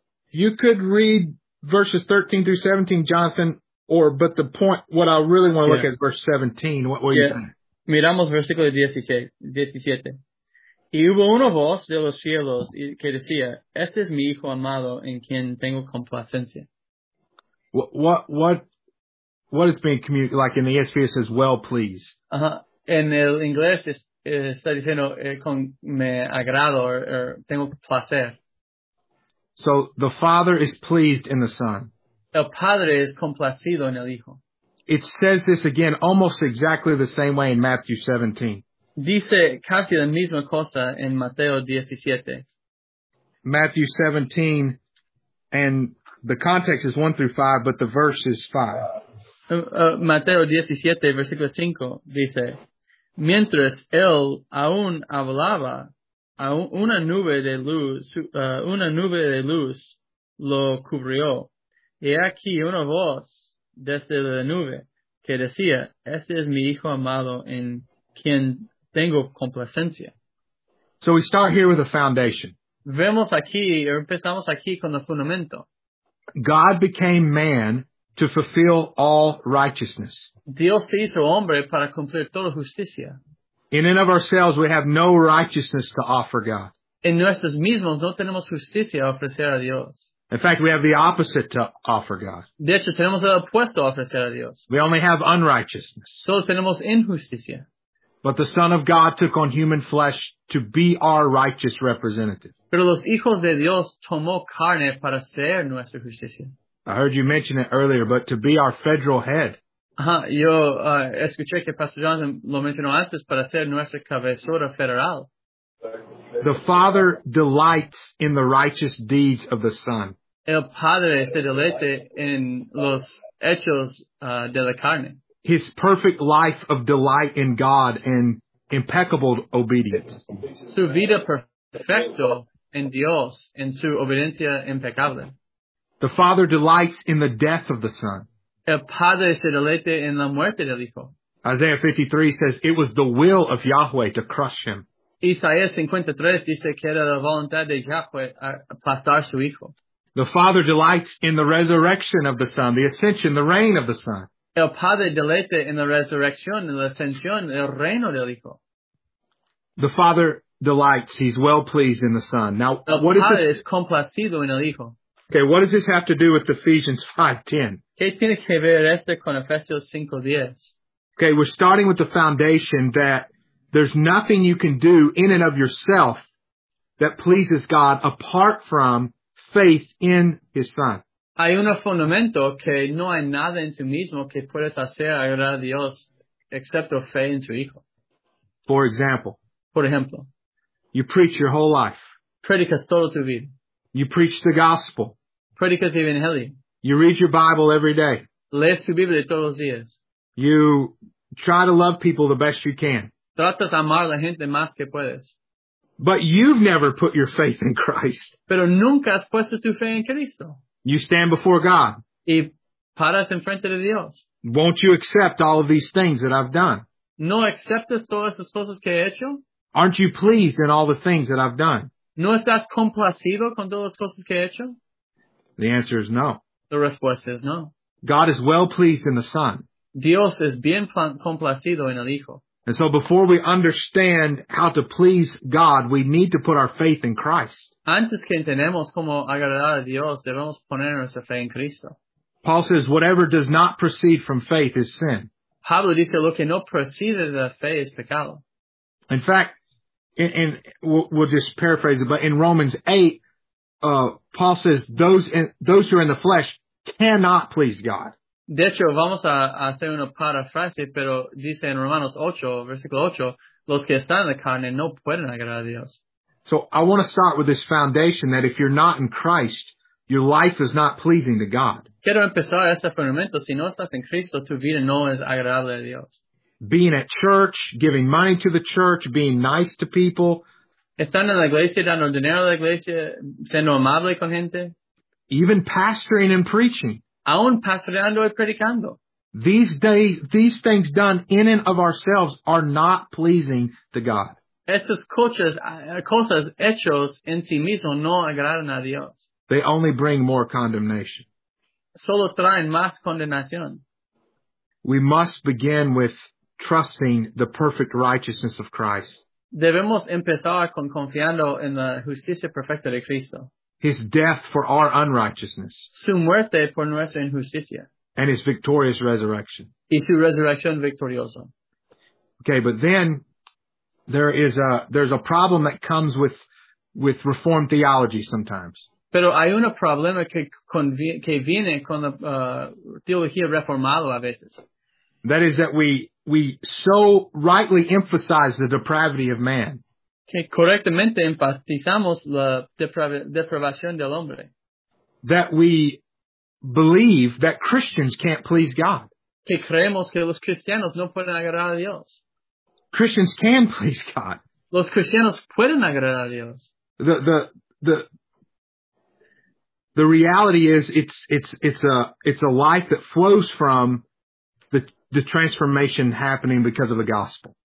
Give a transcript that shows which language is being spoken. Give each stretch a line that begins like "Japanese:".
English: You could read verses 13 through 17, Jonathan, but the point, what I really want to look at is verse 17. What were you saying?
Spanish: Miramos versículo 17. Y hubo una voz de los cielos que decía, este es mi hijo amado en quien tengo complacencia.
English: What is being communicated? Like in the ESV it says, well pleased.
Spanish: En el inglés está diciendo con me agrado or tengo placer.
English: So the Father is pleased in the Son.
Spanish: El Padre es complacido en el Hijo.
English: It says this again almost exactly the same way in Matthew 17.
Spanish: Dice casi la misma cosa en Mateo 17.
English: Matthew 17, and the context is 1 through 5, but the verse is 5.
Spanish: Mateo 17, versículo 5, dice, mientras él aún hablaba, una nube de luz lo cubrió. Y aquí una voz desde la nube que decía, este es mi hijo amado en quien tengo complacencia.
English: So we start here with a foundation.
Spanish: Vemos aquí, empezamos aquí con el fundamento.
English: God became man to fulfill all righteousness.
Spanish: Dios se hizo hombre para cumplir toda justicia.
English: In and of ourselves, we have no righteousness to offer God.
Spanish: En nosotros mismos no tenemos justicia a ofrecer a Dios.
English: In fact, we have the opposite to offer God.
Spanish: De hecho, tenemos el opuesto a ofrecer a Dios.
English: We only have unrighteousness.
Spanish: Solo tenemos injusticia.
English: But the Son of God took on human flesh to be our righteous representative.
Spanish: Pero los hijos de Dios tomó carne para ser nuestra justicia.
English: I heard you mention it earlier, but to be our federal head.
Spanish: Yo escuché que Pastor Jonathan lo mencionó antes para ser nuestra cabezora federal.
English: The Father delights in the righteous deeds of the Son.
Spanish: El Padre se deleite en los hechos de la carne.
English: His perfect life of delight in God and impeccable obedience.
Spanish: Su vida perfecto en Dios en su obediencia impecable.
English: The Father delights in the death of the Son.
Spanish: El Padre se deleite en la muerte del Hijo.
English: Isaiah 53 says it was the will of Yahweh to crush him.
Spanish: Isaías 53 dice que era la voluntad de Yahweh aplastar su Hijo.
English: The Father delights in the resurrection of the Son, the ascension, the reign of the Son.
Spanish: El Padre deleite en la resurrección, en la ascensión, el reino del Hijo.
English: The Father delights, he's well pleased in the Son. Now,
Spanish: el
English: what
Spanish: Padre
English: is
Spanish: complacido en el Hijo.
English: Okay, what does this have to do with Ephesians 5:10?
Spanish: ¿Qué tiene que ver esto con Efesios 5:10?
English: Okay, we're starting with the foundation that there's nothing you can do in and of yourself that pleases God apart from faith in His Son.
Spanish: Hay un fundamento que no hay nada en tu mismo que puedes hacer agradar a Dios excepto fe en tu Hijo.
English: For example.
Spanish: Por ejemplo.
English: You preach your whole life.
Spanish: Predicas toda tu vida.
English: You preach the gospel.
Spanish: Predicas evangelio.
English: You read your Bible every day.
Spanish: Lees tu Biblia todos los días.
English: You try to love people the best you can.
Spanish: Tratas de amar a la gente más que puedes.
English: But you've never put your faith in Christ.
Spanish: Pero nunca has puesto tu fe en Cristo.
English: You stand before God.
Spanish: Y paras en frente de Dios.
English: Won't you accept all of these things that I've done?
Spanish: No aceptas todas las cosas que he hecho?
English: Aren't you pleased in all the things that I've done?
Spanish: ¿No estás complacido con todas las cosas que he hecho?
English: The answer is no.
Spanish: La respuesta es no.
English: God is well pleased in the Son.
Spanish: Dios es bien complacido en el Hijo.
English: And so before we understand how to please God, we need to put our faith in Christ.
Spanish: Antes que entendamos cómo agradar a Dios, debemos poner nuestra fe en Cristo.
English: Paul says, whatever does not proceed from faith is sin.
Spanish: Pablo dice, lo que no procede de la fe es pecado.
English: In fact, and we'll just paraphrase it, but in Romans 8, Paul says, those who are in the flesh cannot please God.
Spanish: De hecho, vamos a hacer una parafrase, pero dice en Romanos 8, versículo 8, los que están en la carne no pueden agradar a Dios.
English: So I want to start with this foundation that if you're not in Christ, your life is not pleasing to God.
Spanish: Quiero empezar este fundamento. Si no estás en Cristo, tu vida no es agradable a Dios.
English: Being at church, giving money to the church, being nice to people.
Spanish: Estando en la iglesia, dando dinero a la iglesia, siendo amable con gente.
English: Even pastoring and preaching.
Spanish: Aún pastoreando y predicando.
English: These things done in and of ourselves are not pleasing to God.
Spanish: Esas cosas hechas en sí mismo no agradan a Dios.
English: They only bring more condemnation.
Spanish: Solo traen más condenación.
English: We must begin with trusting the perfect righteousness of Christ.
Spanish: Debemos empezar con confiando en la justicia perfecta de Cristo.
English: His death for our unrighteousness.
Spanish: Su muerte por nuestra injusticia.
English: And His victorious resurrection.
Spanish: Y su resurrección victoriosa.
English: Okay, but then there's a problem that comes with Reformed theology sometimes.
Spanish: Pero hay un problema que viene con la teología reformada a veces.
English: That is that we so rightly emphasize the depravity of man.
Spanish: que correctamente enfatizamos la depravación del hombre.
English: That we believe that Christians can't please God.
Spanish: Que creemos que los cristianos no pueden agradar a Dios.
English: Christians can please God.
Spanish: Los cristianos pueden agradar a Dios.
English: The reality is it's a life that flows from the transformation happening because of the gospel.